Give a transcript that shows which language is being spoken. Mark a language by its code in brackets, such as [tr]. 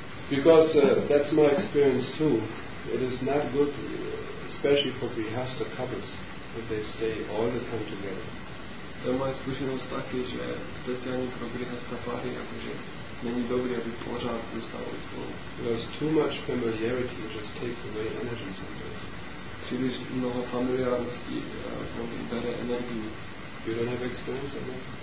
[en] Because that's my experience too. It is not good, especially for Grihastha couples, if they stay all the time together. [cs] To je moje zkušenost taky, že speciální pro Grihastha páry, jakože není dobré, aby pořád zůstalo spolu. [en] There's too much familiarity, it just takes away energy sometimes. [cs] Příliš mnoho familiárnosti bere energii. [en] You don't have experience of that?